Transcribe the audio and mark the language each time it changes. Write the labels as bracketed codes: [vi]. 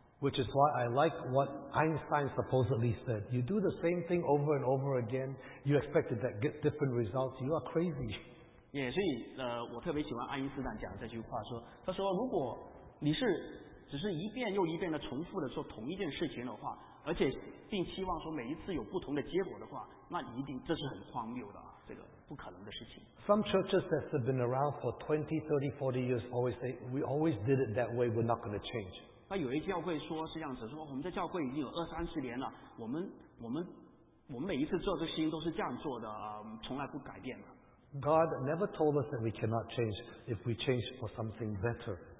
[en] Which is why I like what Einstein supposedly said. You do the same thing over and over again, you expect to get different results, you are crazy. [zh] 也所以我特别喜欢爱因斯坦讲这句话，说他说如果你是只是一遍又一遍的重复的做同一件事情的话，而且并希望说每一次有不同的结果的话，那一定这是很荒谬的，这个不可能的事情。 [en] Some churches that have been around for 20, 30, 40 years always say, we always did it that way, we're not going to change. [zh] 那有一些教会说是这样子，说我们在教会已经有二三十年了，我们每一次做的事情都是这样做的，从来不改变的。 [en] God never told us that we cannot change if we change for something better.